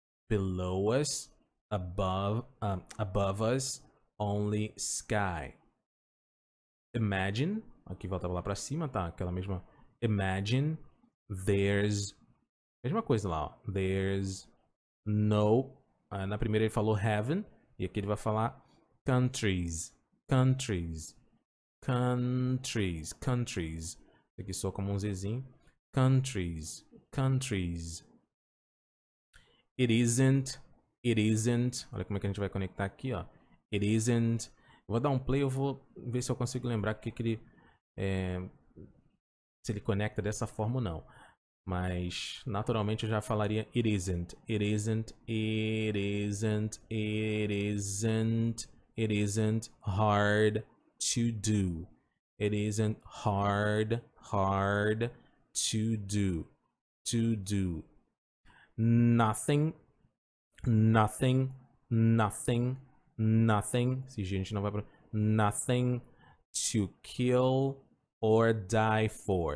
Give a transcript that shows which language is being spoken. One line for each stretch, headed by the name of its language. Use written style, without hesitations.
English: Below us, above, above us, only sky.
Portuguese: Imagine, aqui volta lá para cima, tá? Aquela mesma. Imagine, there's, mesma coisa lá, ó. There's no, na primeira ele falou heaven, e aqui ele vai falar countries, countries, countries, countries. Aqui soa como um zezinho. Countries, countries. It isn't, olha como é que a gente vai conectar aqui, ó. It isn't. Vou dar um play, eu vou ver se eu consigo lembrar que ele se ele conecta dessa forma ou não. Mas naturalmente eu já falaria
English: it isn't, it isn't, it isn't, it isn't, it isn't hard to do. It isn't hard, hard. To do, nothing, nothing, nothing, nothing,
Portuguese: se a gente não vai pra...
English: nothing to kill or die for.